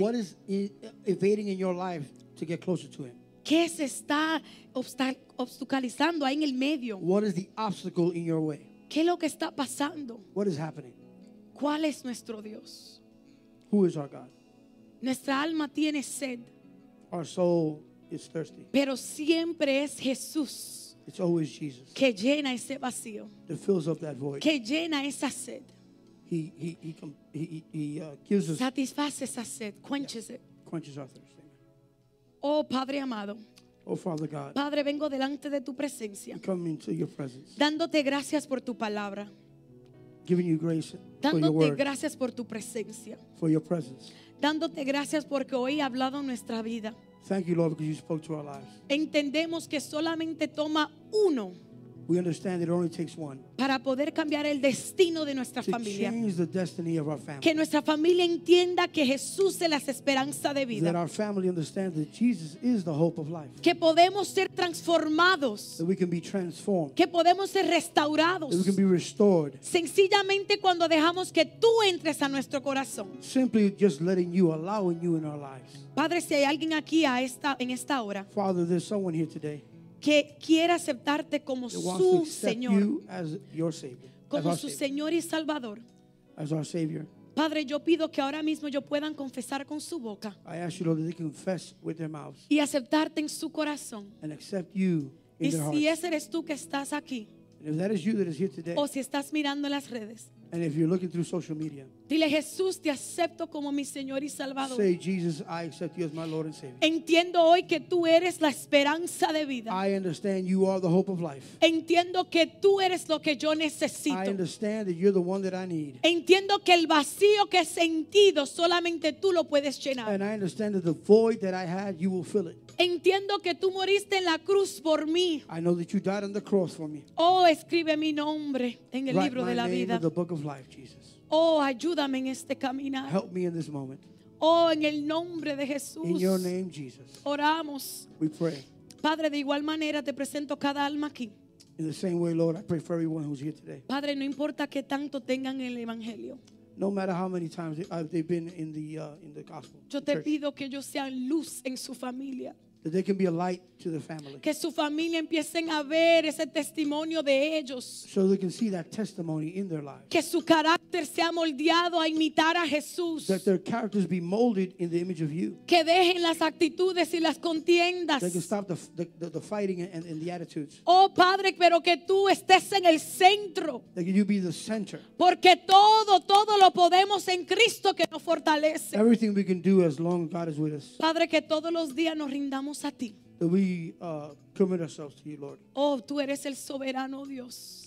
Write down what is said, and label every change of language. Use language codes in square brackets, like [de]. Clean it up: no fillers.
[en] What is evading in your life to get closer to him? [es] ¿Qué se está obstaculizando ahí en el medio? [en] What is the obstacle in your way? [es] ¿Qué es lo que está pasando? [en] What is happening? [es] ¿Cuál es nuestro Dios? [en] Who is our God? [es] Nuestra alma tiene sed. [en] Our soul is thirsty. [es] Pero siempre es Jesús. [en] It's always Jesus. [es] Que llena ese vacío. [en] That fills up that void. [es] Que llena esa sed. [en] He gives us. [es] Satisface esa sed. [en] Quenches it. Quenches our thirst. Amen. [es] Oh Padre amado. [en] Oh Father God. [es] Padre, vengo delante de tu presencia. [en] Come into your presence. [es] Dándote gracias por tu palabra. [en] Giving you grace. [es] Dándote [en] for your word, [es] gracias por tu presencia. [en] For your presence. [es] Dándote gracias porque hoy ha hablado nuestra vida. [en] Thank you, Lord, because you spoke to our lives. [es] Entendemos que solamente toma uno. [en] We understand it only takes one. [es] Para poder cambiar el destino de nuestra [en] to [es] familia. [en] Change the destiny of our family. [es] Que nuestra familia entienda que Jesús es la esperanza de vida. [en] That our family understands that Jesus is the hope of life. [es] Que podemos ser transformados. [en] That we can be transformed. [es] Que podemos ser restaurados. [en] That we can be restored. [es] Sencillamente cuando dejamos que tú entres a nuestro corazón. [en] Simply just letting you, allowing you in our lives. [es] Padre, si hay alguien aquí en esta hora. [en] Father, there's someone here today. [es] Que quiere aceptarte como su Señor, como su Señor y Salvador. [en] As our Savior. [es] Padre, yo pido que ahora mismo yo puedan confesar con su boca. [en] I ask you, Lord, that they confess with their mouths. [es] Y aceptarte en su corazón. [en] And accept you in their hearts. [es] Y si ese eres tú que estás aquí. [en] And if that is you that is here today. [es] O si estás mirando las redes. [en] And if you're looking through social media. [es] Dile, Jesús, te acepto como mi Señor y Salvador. [en] Say, Jesus, I accept you as my Lord and Savior. [es] Entiendo hoy que tú eres la esperanza de vida. [en] I understand you are the hope of life. [es] Entiendo que tú eres lo que yo necesito. [en] I understand that you're the one that I need. [es] Entiendo que el vacío que he sentido solamente tú lo puedes llenar. [en] And I understand that the void that I had, you will fill it. [es] Entiendo que tú moriste en la cruz por mí. [en] I know that you died on the cross for me. [es] Oh, escribe mi nombre en el libro de la vida. [en] Write my name in the book of life, Jesus. [es] Oh, ayúdame en este caminar. [en] Help me in this moment. [es] Oh, en el nombre de Jesús. [en] In your name, Jesus. [es] Oramos. [en] We pray. [es] Padre, de igual manera te presento cada alma aquí. [en] In the same way, Lord, I pray for everyone who's here today. [es] Padre, no importa qué tanto tengan el evangelio. [en] No matter how many times they've been in the gospel. [es] Yo te pido que ellos sean luz en su familia. [en] That they can be a light to the family. [es] Que su familia empiecen a ver ese testimonio de ellos. [en] So they can see that testimony in their lives. [es] Que su carácter sea moldeado a imitar a Jesús. [en] That their characters be molded in the image of you. [es] Que dejen las actitudes y las contiendas. [en] They can stop the fighting and the attitudes. [es] Oh Padre, pero que tú estés en el centro. [en] That you be the center. [es] Porque todo lo podemos en Cristo que nos fortalece. [en] Everything we can do as long as God is with us. [es] Padre, que todos los días nos rindamos. [en] That we commit ourselves to you, Lord. [es] Oh, tú eres el soberano Dios.